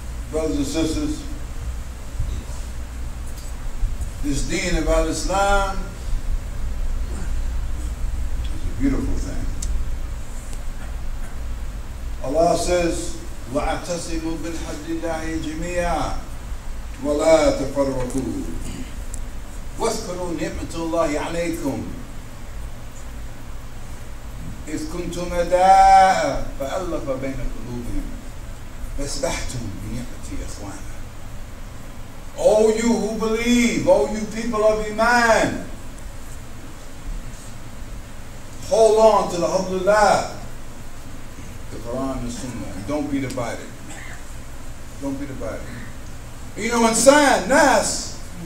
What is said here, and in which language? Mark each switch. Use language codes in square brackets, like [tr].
[en] Brothers and sisters, this deen of Al-Islam is a beautiful thing. Allah says, [ar] واعتصموا بالحبل الله جميعا ولا تفرقوا واذكروا نعمة الله عليكم إذ كنتم أعداء فألف بين قلوبهم فأصبحتم بنعمة إخوانا. [en] All you who believe, all you people of Iman, hold on to the Hablullah, the Quran and Sunnah. Don't be divided. Don't be divided. You know, insan, nas.